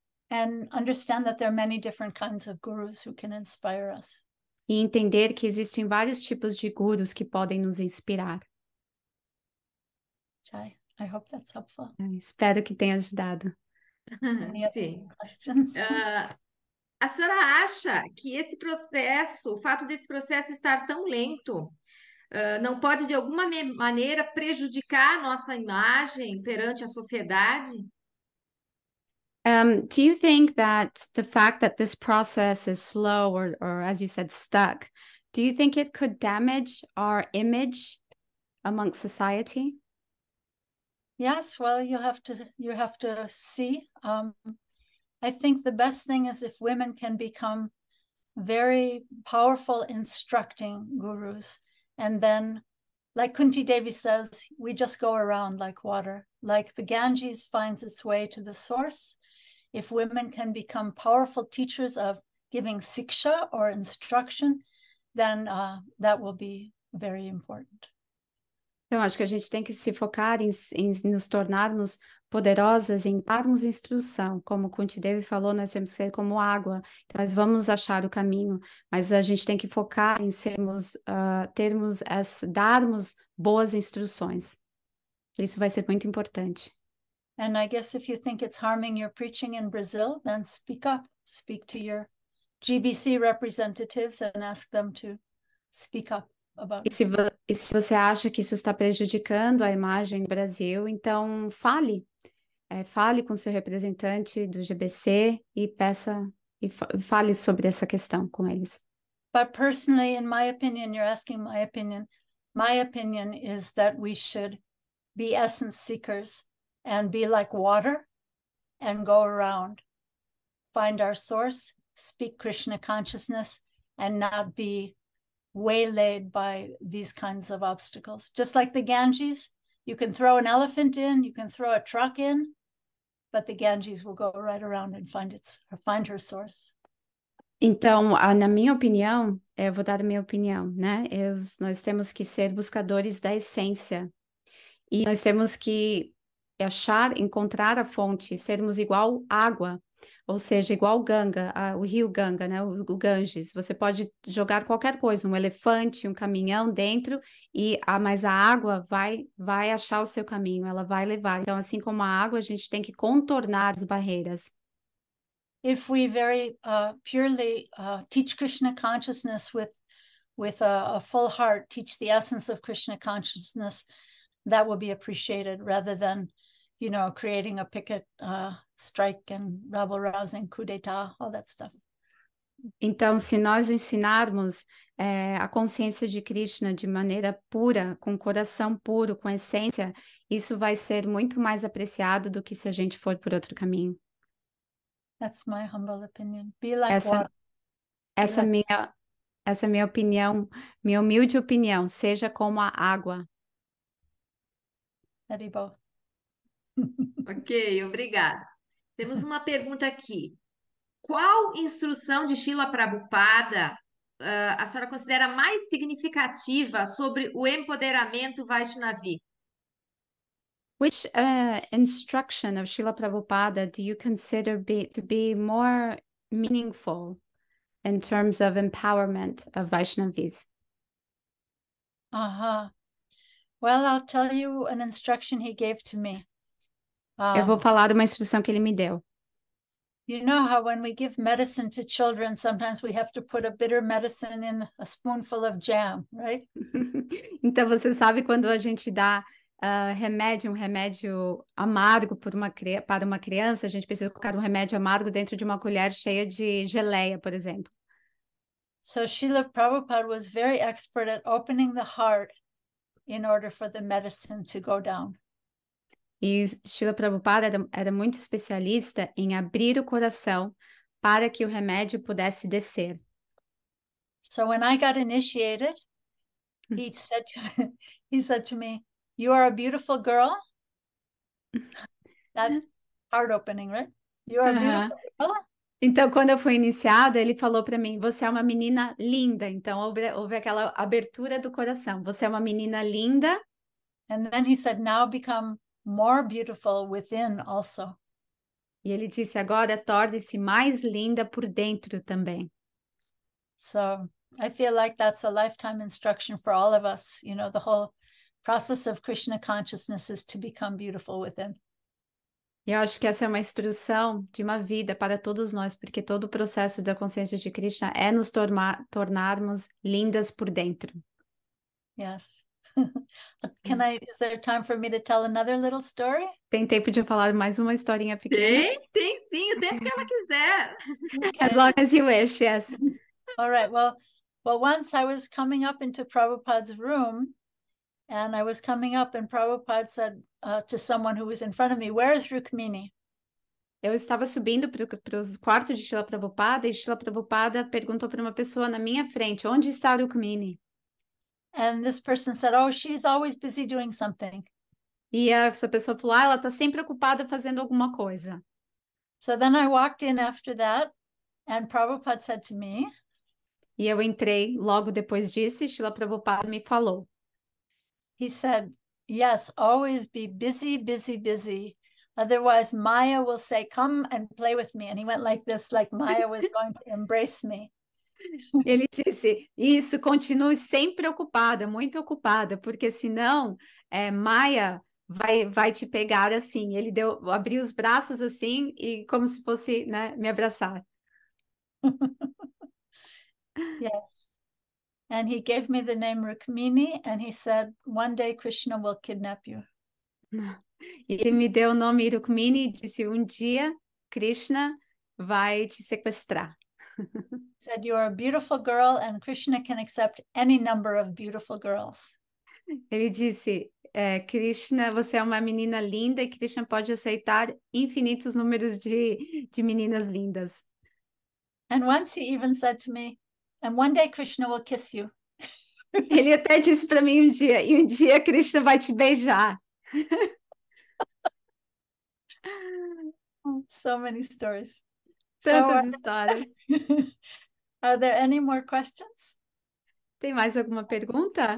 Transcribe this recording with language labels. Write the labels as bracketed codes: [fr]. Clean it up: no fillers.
[en] And understand that there are many different kinds of gurus who can inspire us. [pt] E entender que existem vários tipos de gurus que podem nos inspirar. [en] Jai, I hope that's helpful. [pt] Espero que tenha ajudado. Sim. A senhora acha que esse processo, o fato desse processo estar tão lento, não pode de alguma maneira prejudicar a nossa imagem perante a sociedade? [en] Do you think that the fact that this process is slow or as you said, stuck, do you think it could damage our image amongst society? Yes, well, you have to see. I think the best thing is if women can become very powerful instructing gurus. And then, like Kunti Devi says, we just go around like water. Like the Ganges finds its way to the source. If women can become powerful teachers of giving siksha or instruction, then that will be very important. [pt] Então, acho que a gente tem que se focar em nos tornarmos poderosas, em darmos instrução. Como Kunti Devi falou, nós temos que ser como água. Então, nós vamos achar o caminho, mas a gente tem que focar em sermos, termos as, darmos boas instruções. Isso vai ser muito importante. [en] And I guess if you think it's harming your preaching in Brazil, then speak up. Speak to your GBC representatives and ask them to speak up about it. [pt] E se você acha que isso está prejudicando a imagem do Brasil, então fale. Fale com seu representante do GBC e peça e fale sobre essa questão com eles. [en] But personally, in my opinion, you're asking my opinion. My opinion is that we should be essence seekers. And be like water and go around. Find our source, speak Krishna consciousness, and not be waylaid by these kinds of obstacles. Just like the Ganges, you can throw an elephant in, you can throw a truck in, but the Ganges will go right around and find her source. [pt] Então, na minha opinião, eu vou dar a minha opinião, né? Nós temos que ser buscadores da essência. E nós temos que achar, encontrar a fonte, sermos igual água, ou seja, igual Ganga, o rio Ganga, né? O Ganges. Você pode jogar qualquer coisa, um elefante, um caminhão dentro, mas a água vai achar o seu caminho, ela vai levar. Então, assim como a água, a gente tem que contornar as barreiras. [en] If we very purely teach Krishna consciousness with a full heart, teach the essence of Krishna consciousness, that will be appreciated rather than, you know, creating a picket strike and rabble rousing coup d'etat, all that stuff. [pt] Então, se nós ensinarmos a consciência de Krishna de maneira pura, com coração puro, com essência, isso vai ser muito mais apreciado do que se a gente for por outro caminho. [en] That's my humble opinion. Be like water. [pt] Essa é minha opinião, minha humilde opinião. Seja como a água. Edibo. Ok, obrigada. Temos uma pergunta aqui. Qual instrução de Srila Prabhupada a senhora considera mais significativa sobre o empoderamento Vaishnavi? [en] Which instruction of Srila Prabhupada do you consider to be more meaningful in terms of empowerment of Vaishnavis? Uh-huh. Well, I'll tell you an instruction he gave to me. [pt] Eu vou falar de uma instrução que ele me deu. [en] You know how when we give medicine to children, sometimes we have to put a bitter medicine in a spoonful of jam, right? [pt] Então, você sabe quando a gente dá remédio amargo para uma criança, a gente precisa colocar um remédio amargo dentro de uma colher cheia de geleia, por exemplo. [en] So Srila Prabhupada was very expert at opening the heart in order for the medicine to go down. [pt] E Srila Prabhupada era muito especialista em abrir o coração para que o remédio pudesse descer. [en] So when I got initiated, he said to me, "You are a beautiful girl." That heart opening, right? You are a beautiful girl. [pt] Então, quando eu fui iniciada, ele falou para mim, você é uma menina linda. Então, houve aquela abertura do coração. Você é uma menina linda. [en] And then he said, now become more beautiful within also. [pt] E ele disse, agora torne-se mais linda por dentro também. [en] So, I feel like that's a lifetime instruction for all of us. You know, the whole process of Krishna consciousness is to become beautiful within. [pt] E eu acho que essa é uma instrução de uma vida para todos nós, porque todo o processo da consciência de Krishna é nos tornarmos lindas por dentro. [en] Yes. Can I, is there time for me to tell another little story? [pt] Tem tempo de eu falar mais uma historinha pequena? Tem sim, o tempo que ela quiser. [en] Okay. As long as you wish, yes. All right, well, once I was coming up into Prabhupada's room, and I was coming up and Prabhupada said to someone who was in front of me, where is Rukmini? [pt] Eu estava subindo para o quarto de Srila Prabhupada e Srila Prabhupada perguntou para uma pessoa na minha frente, onde está Rukmini? [en] And this person said, oh, she's always busy doing something. [pt] E essa pessoa falou, ah, ela está sempre ocupada fazendo alguma coisa. [en] So then I walked in after that and Prabhupada said to me. [pt] E eu entrei logo depois disso e Srila Prabhupada me falou. [en] He said, yes, always be busy, busy, busy. Otherwise, Maya will say, come and play with me. And he went like this, like Maya was going to embrace me. [pt] Ele disse, isso, continue sempre ocupada, muito ocupada, porque senão Maya vai te pegar assim. Ele deu, abriu os braços assim, e como se fosse, né, me abraçar. [en] Yes. And he gave me the name Rukmini, and he said, one day Krishna will kidnap you. [pt] Ele me deu o nome Rukmini e disse, um dia Krishna vai te sequestrar. [en] He said, you are a beautiful girl, and Krishna can accept any number of beautiful girls. [pt] Ele disse, Krishna, você é uma menina linda, e Krishna pode aceitar infinitos números de meninas lindas. [en] And once he even said to me, and one day Krishna will kiss you. [pt] Ele até disse para mim um dia Krishna vai te beijar. [en] So many stories. [pt] Tantas histórias. [en] Are there any more questions? [pt] Tem mais alguma pergunta?